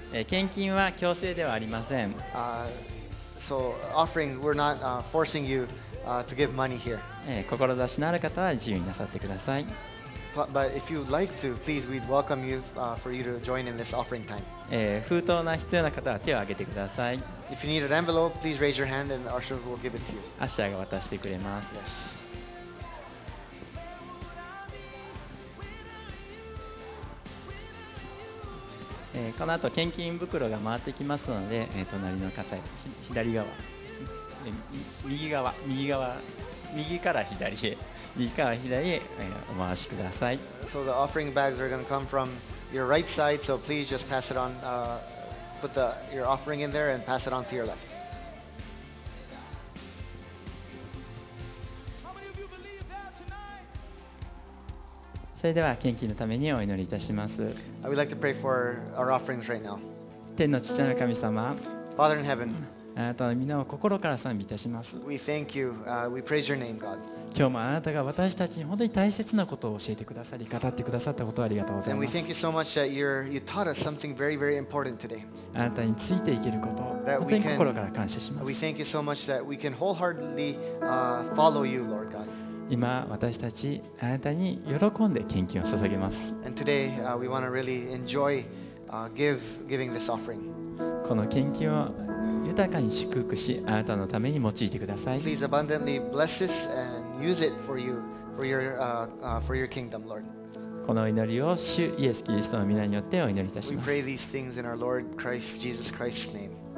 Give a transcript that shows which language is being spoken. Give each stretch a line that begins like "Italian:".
Japanese: 献金は強制ではありません。
English: So offering, we're not forcing you to give money here.
Japanese: 志のある方は自由になさってください。
English: But if you'd like to, please, we'd welcome you for you to join in this offering time.
Japanese: 封筒が必要な方は手を挙げてください。
English: If you need an envelope, please raise your hand and our servant will give it to you.
Japanese: アッシャーが渡してくれます。
English: Yes.
Japanese: この後献金袋が回ってきますので、隣の方へ左側、右から左へ、お回しください。
English: So the offering bags are going to come from your right side, so please just pass it on, put your offering in there and pass it on to your left.
Japanese: それでは献金のためにお祈りいたします。
English: I would like to pray for our offerings right now.
Japanese: 天の父なる神様、
English: Father in heaven,
Japanese: あなたの皆を心から賛美いたします。
English: We thank you, we praise your name, God.
Japanese: 今日もあなたが私たちに本当に大切なことを教えてくださり語ってくださったことをありがとうございます。
English: And we thank you so much that you taught us something very, very important today.
Japanese: あなたについていけることを本当に心から感謝します。
English: We thank you so much that we can wholeheartedly follow you, Lord God.
Japanese: 今私たちあなたに喜んで献金を捧げます。
English: And today, we want to really enjoy, giving this offering.
Japanese: この献金を豊かに祝福しあなたのために用いてください。
English: Please abundantly bless this and use it for you, for your kingdom, Lord.
Japanese: この祈りを主イエスキリストの御名によってお祈りいたします。
English: We pray these things in our Lord Christ, Jesus Christ's name.